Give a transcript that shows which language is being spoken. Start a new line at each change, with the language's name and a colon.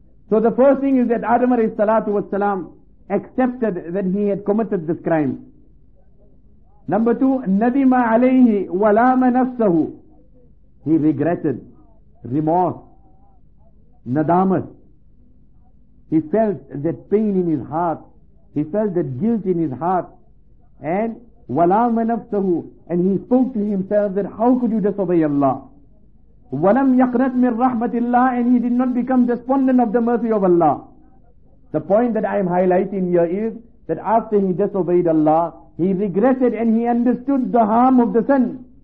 English: So the first thing is that Adam alayhi salatu was salam accepted that he had committed this crime. Number two,
Arabic: nadima alayhi wa lama nafsahu.
English: He regretted, remorse, nadamat. He felt that pain in his heart. He felt that guilt in his heart.
Arabic: And وَلَامَ نَفْسَهُ.
English: And he spoke to himself that how could you disobey Allah?
Arabic: وَلَمْ يَقْنَتْ مِنْ رَحْمَةِ اللَّهِ.
English: And he did not become despondent of the mercy of Allah. The point that I am highlighting here is that after he disobeyed Allah, he regretted and he understood the harm of the sin.